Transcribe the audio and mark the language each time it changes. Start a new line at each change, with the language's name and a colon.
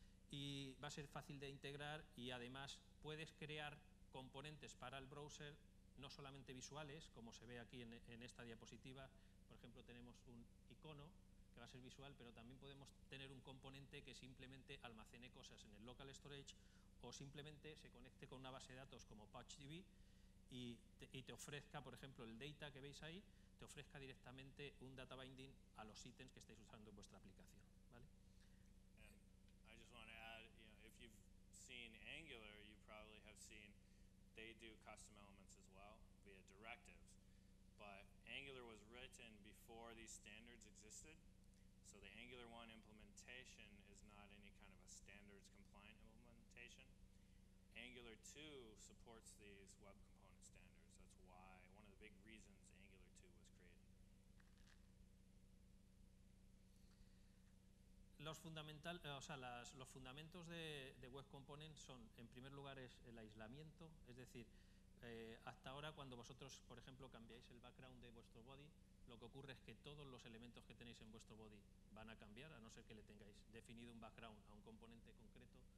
Spanish: y va a ser fácil de integrar y además puedes crear componentes para el browser no solamente visuales, como se ve aquí en esta diapositiva, por ejemplo tenemos un icono que va a ser visual, pero también podemos tener un componente que simplemente almacene cosas en el local storage o simplemente se conecte con una base de datos como PouchDB y te ofrezca, por ejemplo, el data que veis ahí, te ofrezca directamente un data binding a los ítems que estáis usando en vuestra aplicación, ¿vale?
English: And I just want to add, you know, if you've seen Angular, you probably have seen they do custom elements as well via directives. But Angular was written before these standards existed. So the Angular 1 implementation is not any kind of a standards compliant implementation. Angular 2 supports these web component standards. That's why, one of the big reasons Angular 2 was created.
Spanish: Los fundamentos de web component son, en primer lugar, es el aislamiento. Es decir, hasta ahora cuando vosotros, por ejemplo, cambiáis el background de vuestro body, lo que ocurre es que todos los elementos que tenéis en vuestro body van a cambiar, a no ser que le tengáis definido un background a un componente concreto.